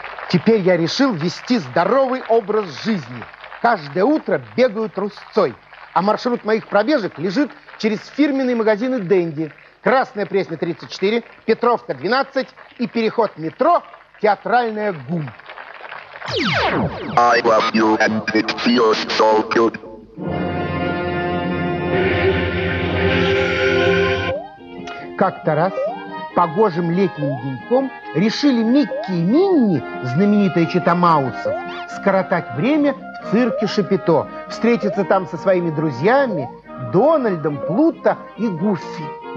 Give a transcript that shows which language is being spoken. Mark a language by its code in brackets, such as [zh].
[ru] Теперь я решил вести здоровый образ жизни. Каждое утро бегаю трусцой, а маршрут моих пробежек лежит через фирменные магазины Dendy. Красная Пресня 34, Петровка 12 и переход метро Театральная ГУМ. [en] I love you and it feels so good. [ru] Как-то раз погожим летним деньком решили Микки и Минни, знаменитые чета Маусов, скоротать время в цирке Шапито, встретиться там со своими друзьями Дональдом, Плуто и Гуффи.